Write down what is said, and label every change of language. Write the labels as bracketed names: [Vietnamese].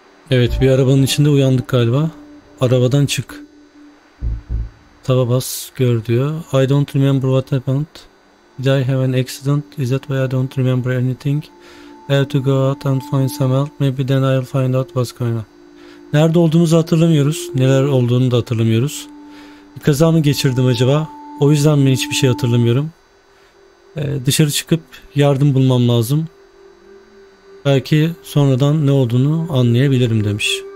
[Turkish] Evet, bir arabanın içinde uyandık galiba. Arabadan çık. Tava bas, gör diyor. [English] I don't remember what happened. Did I have an accident? Is that why I don't remember anything? I have to go out and find some help. Maybe then I'll find out what's going on. [Turkish] Nerede olduğumuzu hatırlamıyoruz. Neler olduğunu da hatırlamıyoruz. Bir kaza mı geçirdim acaba? O yüzden mi hiçbir şey hatırlamıyorum? Dışarı çıkıp yardım bulmam lazım. Belki sonradan ne olduğunu anlayabilirim demiş.